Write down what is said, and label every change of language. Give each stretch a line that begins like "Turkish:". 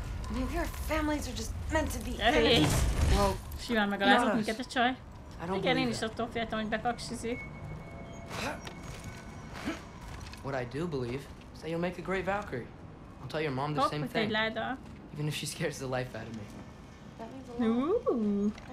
English: Maybe our families are just meant to be.
Hungarian: Simán megalázott minket a csaj. Igen, én is attól féltem, hogy bekaksizik.
English: What I do believe is that you'll make a great Valkyrie. I'll tell your mom the same thing.
Hungarian: Egy láda.
English: Even if she scares the life out of me.